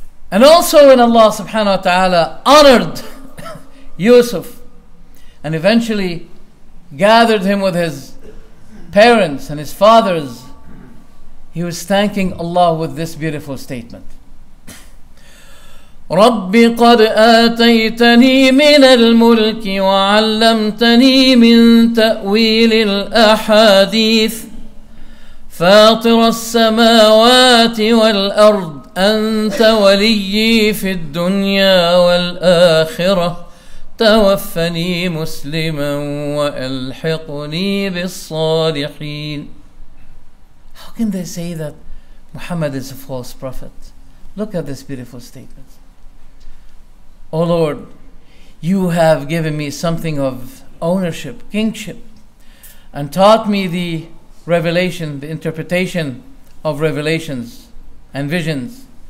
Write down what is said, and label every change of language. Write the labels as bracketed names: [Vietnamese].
[English] And also when Allah subhanahu wa ta'ala honored Yusuf and eventually gathered him with his parents and his fathers, he was thanking Allah with this beautiful statement. [Arabic] رَبِّ قَدْ آتَيْتَنِي مِنَ الْمُلْكِ وَعَلَّمْتَنِي مِنْ تَأْوِيلِ الْأَحَادِيثِ فَاطِرَ السَّمَاوَاتِ وَالْأَرْضِ أنت ولي في الدنيا والآخرة توفني مسلما وألحقني بالصالحين. [English] How can they say that Muhammad is a false prophet? Look at this beautiful statement. O Lord, you have given me something of ownership, kingship, and taught me the revelation, the interpretation of revelations and visions.